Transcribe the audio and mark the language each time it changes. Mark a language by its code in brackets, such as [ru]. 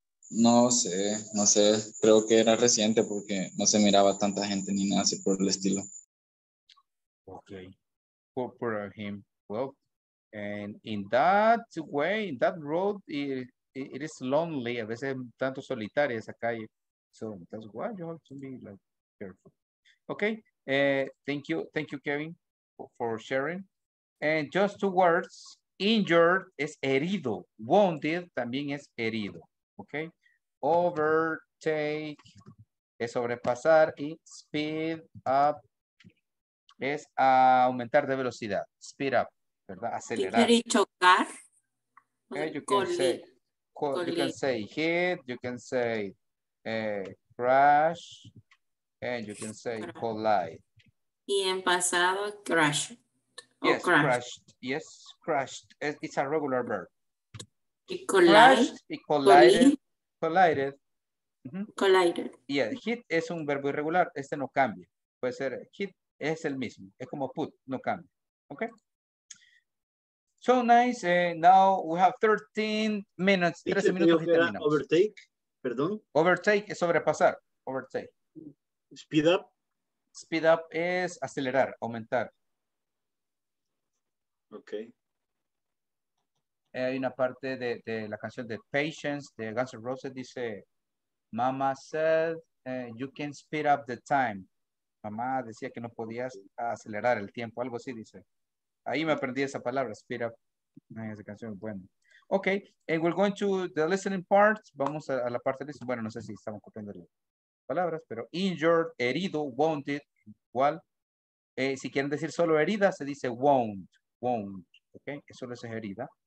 [es] No sé, creo que era reciente porque no se miraba tanta gente ni nada así por el estilo. [en] Okay, poor him. Well, and in that way, in that road, it is lonely. [es] A veces tanto solitaria esa calle. [en] So that's why you have to be like careful. Okay, thank you, Kevin, for sharing. And just two words, injured [es] es herido. Wounded también es herido, okay? Overtake es sobrepasar y speed up es aumentar de velocidad. Speed up, ¿verdad? Acelerar. ¿Quiere chocar? [en] Okay, you can say, you can say hit, you can say crash, and you can say collide. [es] Y en pasado, crashed. [en] It's a regular verb. Collided. Mm-hmm. Collided. [es] Yeah, hit es un verbo irregular. Este no cambia. Puede ser hit, es el mismo. Es como put, no cambia. [en] Okay? So nice. Now we have 13 minutes. [es] 13 minutos y terminamos. Overtake, perdón. Overtake es sobrepasar. Overtake. [en] Speed up. [es] Speed up es acelerar, aumentar. [en] Ok. [es] Hay una parte de la canción de Patience, de Guns N' Roses, dice, [en] Mama said you can speed up the time. [es] Mamá decía que no podías acelerar el tiempo, algo así dice. Ahí me aprendí esa palabra, speed up. Esa canción es buena. [en] Ok, and we're going to the listening part. [es] Vamos a la parte de eso. Bueno, no sé si estamos copiando el palabras, pero injured, herido, wounded, igual. Si quieren decir solo herida, se dice wound, ok, eso solo es herida.